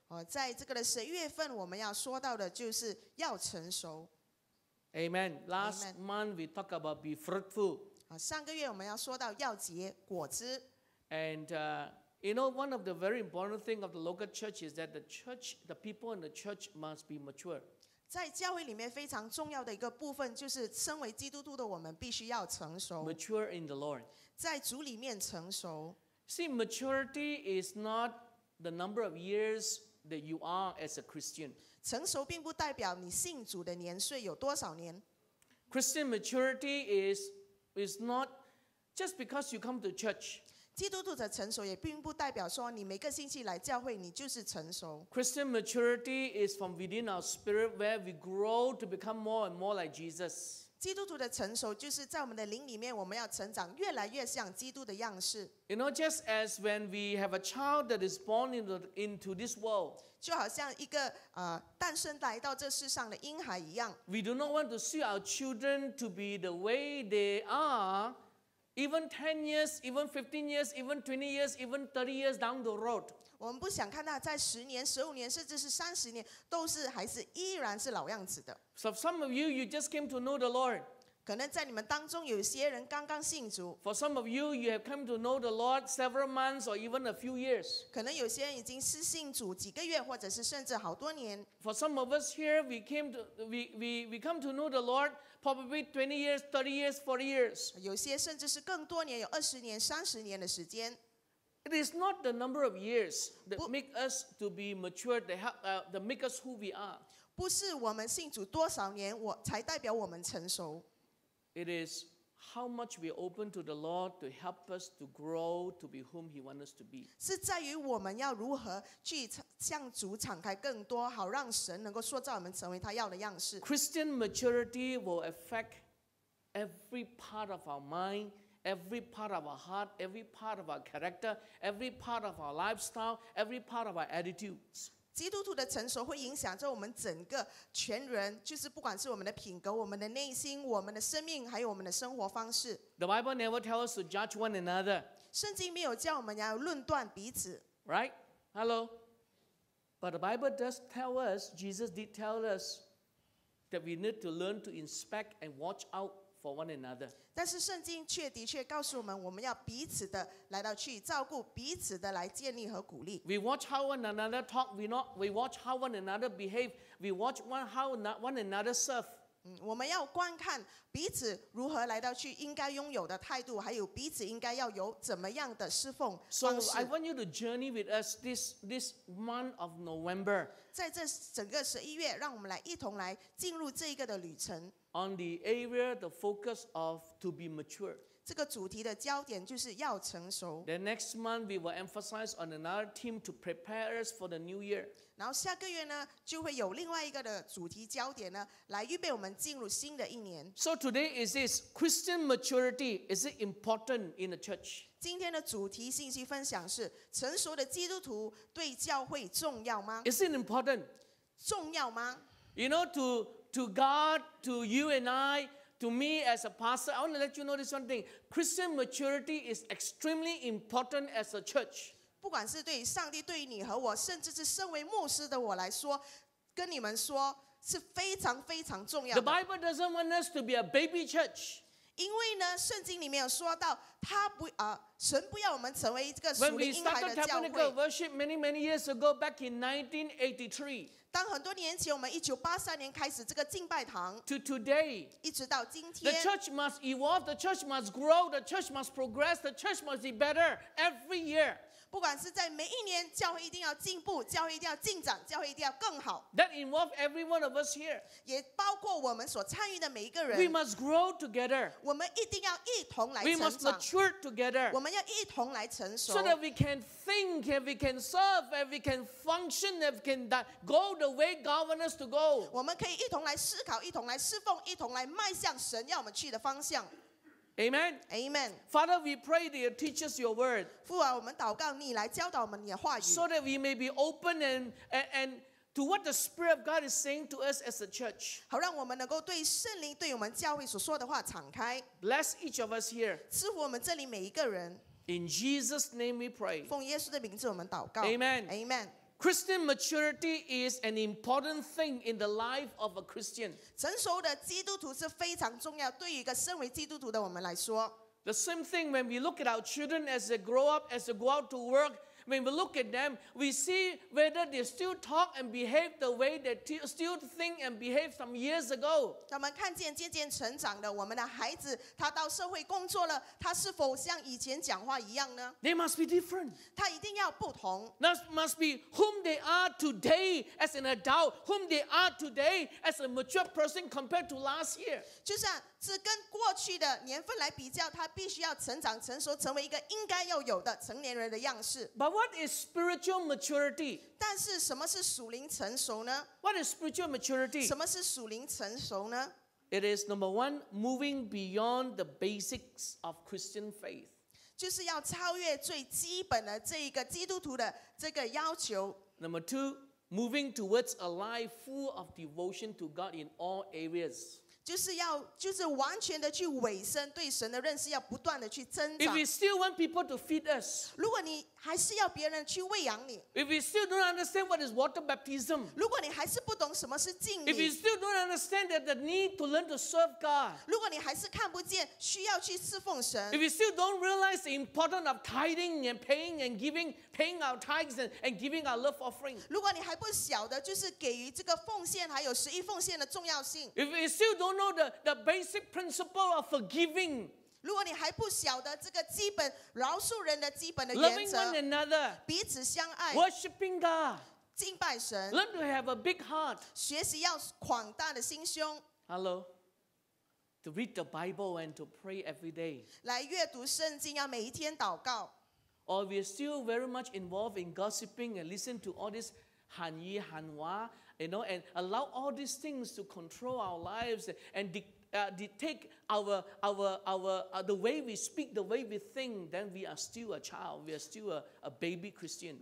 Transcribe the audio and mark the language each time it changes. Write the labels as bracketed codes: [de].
[zh] 在这个的十一月份，我们要说到的就是要成熟。 [en] Amen. Last month we talk about be fruitful. [zh] 上个月我们要说到要结果子。 [en] And you know, one of the very important things of the local church is that the church, the people in the church must be mature. [zh] 在教会里面非常重要的一个部分就是身为基督徒的我们必须要成熟。 [en] Mature in the Lord. [zh] 在主里面成熟。 [en] See, maturity is not the number of years that you are as a Christian. [zh] 成熟并不代表你信主的年岁有多少年。 [en] Christian maturity is not just because you come to church. [zh] 基督徒的成熟也并不代表说你每个星期来教会你就是成熟。 [en] Christian maturity is from within our spirit where we grow to become more and more like Jesus. [zh] 基督徒的成熟就是在我们的灵里面我们要成长越来越像基督的样式。 [en] You know, just as when we have a child that is born into this world, [zh] 就好像一个诞生来到这世上的婴孩一样。 [en] We do not want to see our children to be the way they are,Even 10 years, even 15 years, even 20 years, even 30 years down the road. [zh] 我们不想看到在10年、15年甚至是30年都是还是依然是老样子的。 [en] So some of you just came to know the Lord. [zh] 可能在你们当中有些人刚刚信主。 [en] For some of you have come to know the Lord several months or even a few years. [zh] 可能有些人已经是信主几个月或者是甚至好多年。 [en] For some of us here, we come to know the Lord probably 20 years, 30 years, 40 years. [zh] 有些甚至是更多年，有20年、30年的时间。 [en] It is not the number of years that make us to be mature, that make us who we are. [zh] 不是我们信主多少年，我才代表我们成熟。 [en] It is how much we open to the Lord to help us to grow to be whom He wants us to be. [zh] 是在于我们要如何去向主敞开更多，好让神能够塑造我们成为他要的样式。 [en] Christian maturity will affect every part of our mind, every part of our heart, every part of our character, every part of our lifestyle, every part of our attitudes. [zh] 基督徒的成熟会影响着我们整个全人，就是不管是我们的品格、我们的内心、我们的生命，还有我们的生活方式。 [en] The Bible never tells us to judge one another. [zh] 圣经没有叫我们要论断彼此。 [en] Right? Hello? But the Bible does tell us, Jesus did tell us, that we need to learn to inspect and watch out for one another. [zh] 但是圣经却的确告诉我们，我们要彼此的来到去照顾，彼此的来建立和鼓励。 [en] We watch how one another talk. We watch how one another behave. We watch how one another serve. [zh] 我们要观看彼此如何来到去应该拥有的态度，还有彼此应该要有怎么样的侍奉方式。 [en] So I want you to journey with us this month of November. [zh] 在这整个十一月，让我们来一同来进入这一个的旅程。 [en] On the area, the focus of to be mature. [zh] 这个主题的焦点就是要成熟。 [en] The next month, we will emphasize on another theme to prepare us for the new year. [zh] 然后下个月呢，就会有另外一个的主题焦点呢，来预备我们进入新的一年。 [en] So today is this Christian maturity, is it important in the church? [zh] 今天的主题信息分享是成熟的基督徒对教会重要吗？ [en] Is it important? [zh] 重要吗？ [en] You know, To God, to you and I, to me as a pastor, I want to let you know this one thing. Christian maturity is extremely important as a church. [zh] 不管是对上帝、对你和我，甚至是身为牧师的我来说，跟你们说是非常非常重要的。 [en] The Bible doesn't want us to be a baby church. [zh] 因为呢，圣经里面有说到，神不要我们成为一个属灵婴孩的教会。 [en] When we started Tabernacle worship many, many years ago, back in 1983. [zh] 当很多年前，我们1983年开始这个敬拜堂 [en] ，to today， [zh] 一直到今天 [en] ，the church must evolve， the church must grow， the church must progress， the church must be better every year。 [zh] 不管是在每一年，教会一定要进步，教会一定要进展，教会一定要更好。 [en] That involves every one of us here， [zh] 也包括我们所参与的每一个人。 [en] We must grow together， [zh] 我们一定要一同来成长。 [en] We must mature together， [zh] 我们要一同来成熟。 [en] So that we can think， and we can serve， and we can function， and we can go the way God wants us to go。 [zh] 我们可以一同来思考，一同来侍奉，一同来迈向神要我们去的方向。 [en] Amen. Amen. Father, we pray that you teach us your word. [zh] 父啊，我们祷告你来教导我们你的话语。 [en] So that we may be open and to what the Spirit of God is saying to us as a church. [zh] 好让我们能够对圣灵对我们教会所说的话敞开。 [en] Bless each of us here. [zh] 赐福我们这里每一个人。 [en] In Jesus' name we pray. [zh] 奉耶稣的名字我们祷告。 [en] Amen. Amen. Christian maturity is an important thing in the life of a Christian. [zh] 成熟的基督徒是非常重要，对于一个身为基督徒的我们来说。 [en] The same thing when we look at our children as they grow up, as they go out to work, when we look at them, we see whether they still talk and behave the way they still think and behave some years ago. [zh] 我们看见渐渐成长的我们的孩子，他到社会工作了，他是否像以前讲话一样呢？ [en] They must be different. [zh] 他一定要不同。 [en] That must be whom they are today as an adult, whom they are today as a mature person compared to last year. [zh] 就像是跟过去的年份来比较，他必须要成长成熟，成为一个应该要有的成年人的样式。 [en] But what is spiritual maturity? [zh] 但是什么是属灵成熟呢？ [en] What is spiritual maturity? [zh] 什么是属灵成熟呢？ [en] It is number one, moving beyond the basics of Christian faith. [zh] 就是要超越最基本的这一个基督徒的这个要求。 [en] Number two, moving towards a life full of devotion to God in all areas. [zh] 就是完全的去委身，对神的认识要不断的去增长。 [en] If we still want people to feed us, [zh] 如果你还是要别人去喂养你。 [en] If we still don't understand what is water baptism, [zh] 如果你还是不懂什么是浸礼。 [en] If we still don't understand that the need to learn to serve God, [zh] 如果你还是看不见需要去侍奉神。 [en] If we still don't realize the importance of tithing and paying and giving, paying our tithes and giving our love offering, [zh] 如果你还不晓得就是给予这个奉献还有十一奉献的重要性。 [en] If we still don't know the basic principle of forgiving, [zh] 如果你还不晓得这个基本饶恕人的基本的原则 [en] loving one another, [zh] 彼此相爱 [en] worshiping God, [zh] 敬拜神 [en] learn to have a big heart, [zh] 学习要广大的心胸 [en] hello, to read the Bible and to pray every day, [zh] 来阅读圣经要每一天祷告 [en] or we are still very much involved in gossiping and listen to all this han yi han wa, you know, and allow all these things to control our lives and dictate the way we speak, the way we think, then we are still a child, we are still a baby Christian.